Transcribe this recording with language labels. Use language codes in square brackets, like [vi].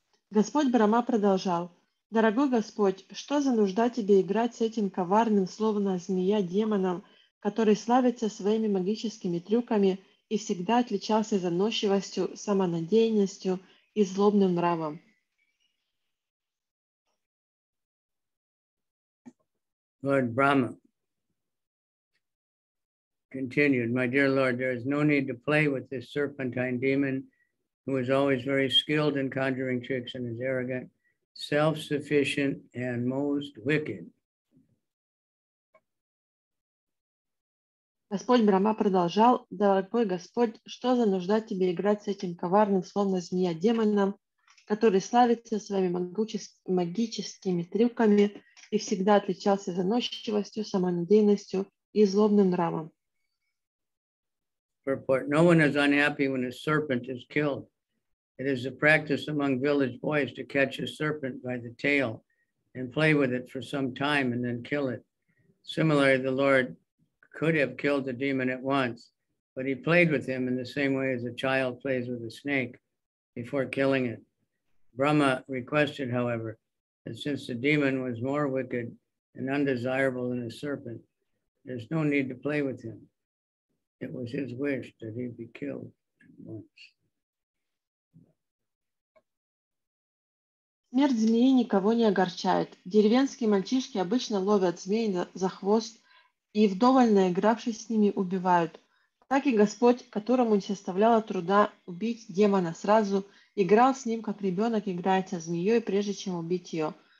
[ru] Господь Брама продолжал. Дорогой Господь, что за нужда тебе играть с этим коварным, словно змея, демоном, который славится своими магическими трюками и всегда отличался заносчивостью, самонадеянностью и злобным нравом? [en] Lord Brahma continued, My dear Lord, there is no need to play with this serpentine demon who is always very skilled in conjuring tricks and is arrogant. Self-sufficient and most wicked. [ru] Господь Брама продолжал, дорогой Господь, что за нужда тебе играть с этим коварным, словно змея, демоном, который славится своими магическими трюками и всегда отличался заносчивостью, самонадеянностью и злобным нравом. [en] Purport. No one is unhappy when a serpent is killed. It is a practice among village boys to catch a serpent by the tail and play with it for some time and then kill it. Similarly, the Lord could have killed the demon at once, but he played with him in the same way as a child plays with a snake before killing it. Brahma requested, however, that since the demon was more wicked and undesirable than a serpent, there's no need to play with him. It was his wish that he be killed at once. [ru] Смерть змеи никого не огорчает. Деревенские мальчишки обычно ловят змей за хвост и, вдоволь наигравшись с ними, убивают. Так и Господь, которому не составляло труда убить демона сразу, играл с ним, как ребенок играет со змеей, прежде чем убить ее.